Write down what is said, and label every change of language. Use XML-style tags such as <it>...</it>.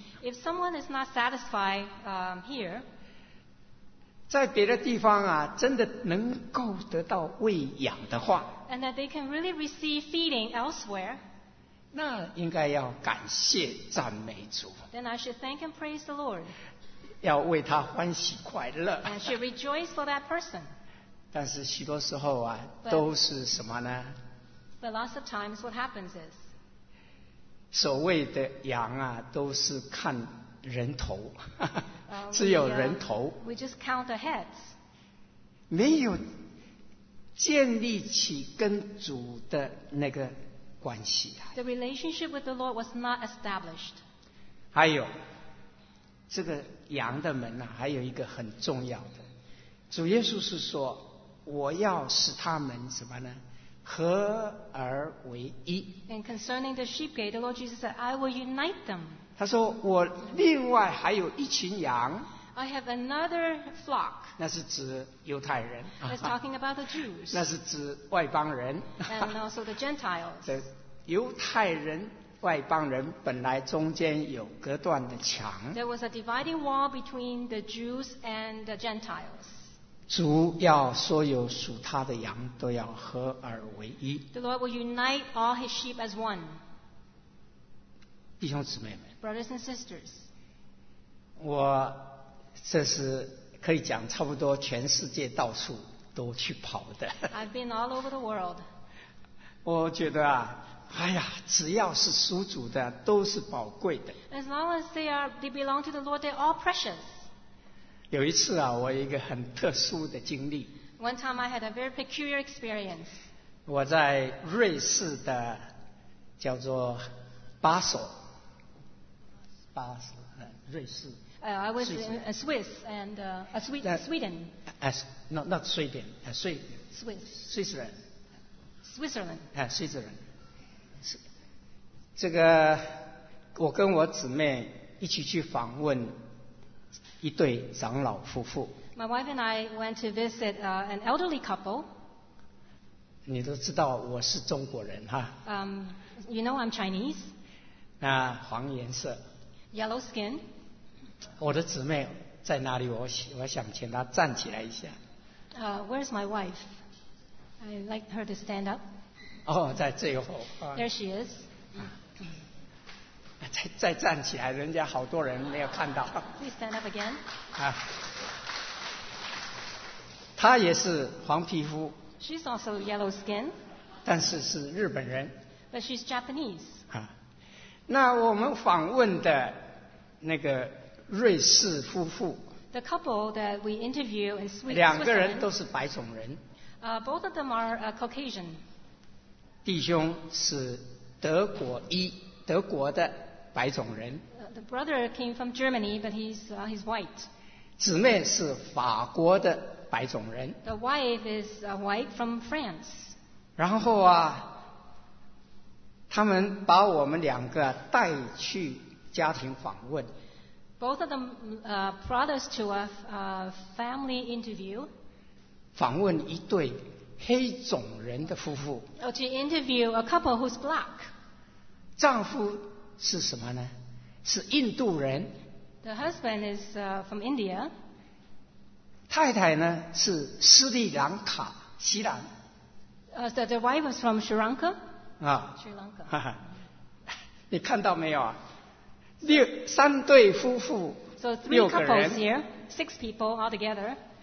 <en>If someone is not satisfied, here,</en> <zh>在别的地方啊，真的能够得到喂养的话，</zh> <en>And that they can really receive feeding elsewhere,</en> <zh>那应该要感谢赞美主。</zh> <en>Then I should thank and praise the Lord.</en> <zh>要为他欢喜快乐。</zh> <en>And I should rejoice for that person.</en> <zh>但是许多时候啊，都是什么呢？</zh> <en>But lots of times what happens is.</en> <zh>所谓的羊啊，都是看人头，只有人头。</zh> <en>We just count the heads.</en> <zh>没有建立起跟主的那个关系啊。</zh> <en>The relationship with the Lord was not established.</en> <zh>还有这个羊的门啊，还有一个很重要的，主耶稣是说，我要使他们什么呢？合而为一。</zh> <en>And concerning the sheep gate, the Lord Jesus said, I will unite them.</en> <zh>他说，我另外还有一群羊。</zh> <en>I have another flock.</en> <zh>那是指犹太人。</zh> <en>That's talking about the Jews.</en> <zh>那是指外邦人。</zh> <en>And also the Gentiles.</en> <zh>犹太人、外邦人本来中间有隔断的墙。</zh> <en>There was a dividing wall between the Jews and the Gentiles.</en> <zh>主要所有属他的羊都要合而为一。</zh> <en>The Lord will unite all his sheep as one.</en> <zh>弟兄姊妹们。</zh> <en>Brothers and sisters.</en> <zh>我这是可以讲差不多全世界到处都去跑的。</zh> <en>I've been all over the world.</en> <zh>我觉得啊，哎呀，只要是属主的都是宝贵的。</zh> <en>As long as they belong to the Lord, they're all precious.</en> <zh>有一次啊，我有一个很特殊的经历。</zh> <en>One time I had a very peculiar experience.</en> <zh>我在瑞士的叫做巴索，巴索，瑞士。</zh> <en>I was in Swiss and Sweden. Not Sweden, Switzerland. Switzerland. Switzerland.</en> <zh>这个我跟我姊妹一起去访问一对长老夫妇。</zh> <en>My wife and I went to visit an elderly couple.</en> <zh>你都知道我是中国人哈。</zh> <en>You know I'm Chinese.</en> <zh>那黄颜色。</zh> <en>Yellow skin.</en> <zh>我的姊妹在哪里？我想请她站起来一下。</zh> <en>Where's my wife? I'd like her to stand up.</en> <zh>哦，在最后。</zh> <en>There she is.</en> <zh>再站起来，人家好多人没有看到。</zh> <en>Please stand up again.</en> <zh>她也是黄皮肤。</zh> <en>She's also yellow skin.</en> <zh>但是是日本人。</zh> <en>But she's Japanese.</en> <zh>啊，那我们访问的那个瑞士夫妇。</zh> <en>The couple that we interview in Switzerland.</en> <zh>两个人都是白种人。</zh> <en>Both of them are Caucasian.</en> <zh>弟兄是德国裔，德国的白种人。</zh> <en>The brother came from Germany, but he's white.</en> <zh>姊妹是法国的白种人。</zh> <en>The wife is white from France.</en> <zh>然后啊，他们把我们两个带去家庭访问。</zh> <en>Both of them brought us to a family interview.</en> <zh>访问一对黑种人的夫妇。</zh> <en>Oh, to interview a couple who's black.</en> <zh>丈夫是什么呢？是印度人。</zh> <en>The husband is from India.</en> <zh>太太呢是斯里兰卡西兰。</zh> <en>The wife is from Sri Lanka. 啊。 Sri Lanka.</en> <zh>你看到没有啊？三对夫妇。</zh> <en>So three couples here, six people all together.</en>